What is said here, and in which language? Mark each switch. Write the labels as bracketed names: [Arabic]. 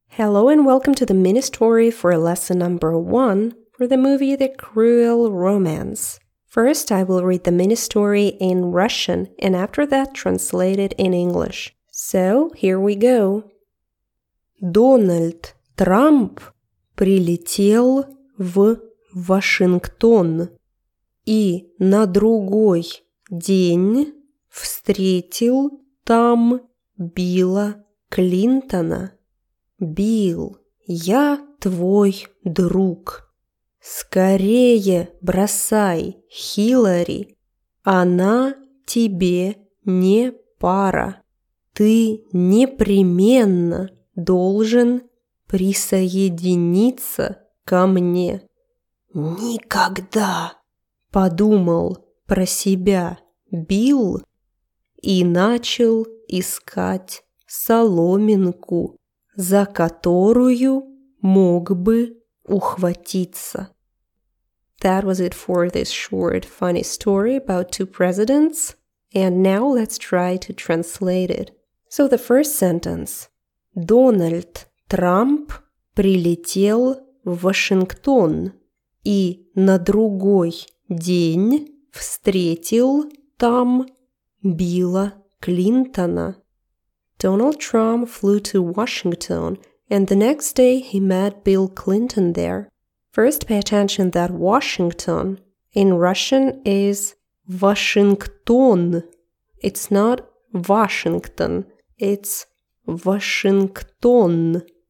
[English] Hello and welcome to the Minstory for lesson number 1 for the movie The Cruel Romance. First, I will read the Minstory in Russian and after that translate it in English. So, here we go. [Russian] Дональд Трамп прилетел в Вашингтон и на другой день встретил там Билла Клинтона. «Билл, я твой друг. Скорее бросай Хиллари, она тебе не пара. Ты непременно должен присоединиться ко мне». «Никогда!» – подумал про себя Билл и начал искать соломинку, за которую мог бы ухватиться. [English] That was it for this short, funny story about two presidents. And now let's try to translate it. So the first sentence. [Russian] Дональд Трамп прилетел в Вашингтон и на другой день встретил там Билла Клинтона. [English] Donald Trump flew to Washington, and the next day he met Bill Clinton there. First, pay attention that Washington in Russian is Washington. It's not Washington, it's Washington.